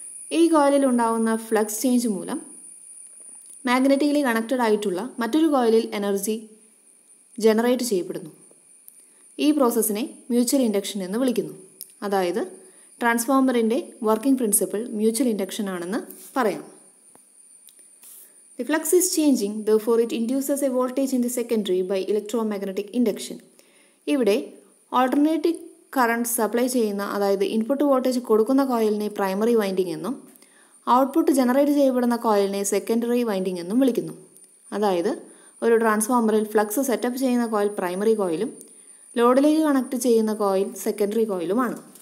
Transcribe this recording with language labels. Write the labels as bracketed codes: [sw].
[ml] ഈ കോയിലിൽ ഉണ്ടാകുന്ന ഫ്ലക്സ് ചേഞ്ച് മൂലം മാഗ്നറ്റിക്കലി കണക്റ്റഡ് ആയിട്ടുള്ള മറ്റൊരു കോയിലിൽ എനർജി ജനറേറ്റ് ചെയ്യപ്പെടുന്നു. ഈ പ്രോസസ്സിനെ മ്യൂച്വൽ ഇൻഡക്ഷൻ എന്ന് വിളിക്കുന്നു. അതായത് ട്രാൻസ്ഫോമറിൻ്റെ വർക്കിംഗ് പ്രിൻസിപ്പിൾ മ്യൂച്വൽ ഇൻഡക്ഷൻ ആണെന്ന് പറയാം. [en] The flux is changing, therefore it induces a voltage in the secondary by electromagnetic induction. [ml] ഇവിടെ ഓൾട്ടർനേറ്റിംഗ് കറണ്ട് സപ്ലൈ ചെയ്യുന്ന, അതായത് ഇൻപുട്ട് വോൾട്ടേജ് കൊടുക്കുന്ന കോയിലിനെ പ്രൈമറി വൈൻഡിംഗ് എന്നും ഔട്ട്പുട്ട് ജനറേറ്റ് ചെയ്യപ്പെടുന്ന കോയിലിനെ സെക്കൻഡറി വൈൻഡിംഗ് എന്നും വിളിക്കുന്നു. അതായത് ഒരു ട്രാൻസ്ഫോമറിൽ ഫ്ലക്സ് സെറ്റപ്പ് ചെയ്യുന്ന കോയിൽ പ്രൈമറി കോയിലും ലോഡിലേക്ക് കണക്ട് ചെയ്യുന്ന കോയിൽ സെക്കൻഡറി കോയിലുമാണ്.